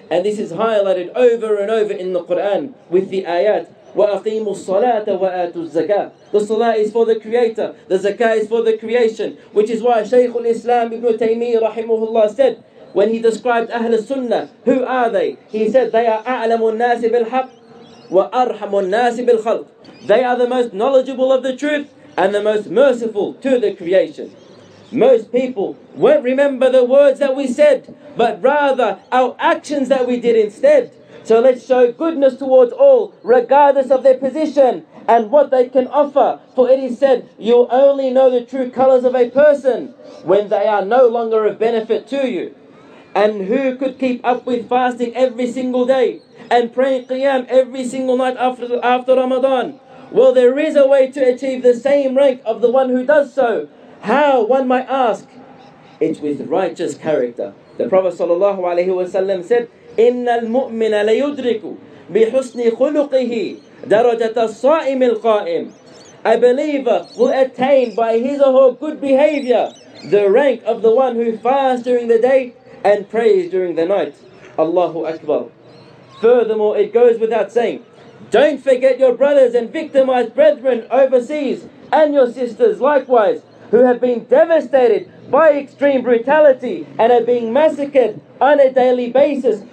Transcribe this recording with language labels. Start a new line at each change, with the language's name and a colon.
English: And this is highlighted over and over in the Qur'an with the ayat.
Arabic: وَأَقِيمُ الصَّلَاةَ وَآتُ الزَّكَاةَ.
English: The salah is for the creator, the zakah is for the creation. Which is why Shaykh al-Islam Ibn Taymiyyah rahimahullah said, when he described Ahl al-Sunnah, who are they? He said, they are
Arabic: أَعْلَمُ النَّاسِ بِالْحَقِّ وَأَرْحَمُ النَّاسِ بِالْخَلْقِ.
English: They are the most knowledgeable of the truth and the most merciful to the creation. Most people won't remember the words that we said, but rather our actions that we did instead. So let's show goodness towards all, regardless of their position and what they can offer. For it is said, you only know the true colors of a person when they are no longer of benefit to you. And who could keep up with fasting every single day and praying Qiyam every single night after Ramadan? Well, there is a way to achieve the same rank of the one who does so. How, one might ask? It's with righteous character. The Prophet sallallahu alaihi wasallam said,
Arabic: إِنَّ الْمُؤْمِنَ لَيُدْرِكُ بِحُسْنِ خُلُقِهِ دَرَجَةَ الصَّائِمِ الْقَائِمِ.
English: A believer will attain by his or her good behavior the rank of the one who fasts during the day and prays during the night. Allahu Akbar. Furthermore, it goes without saying, don't forget your brothers and victimized brethren overseas and your sisters likewise, who have been devastated by extreme brutality and are being massacred on a daily basis.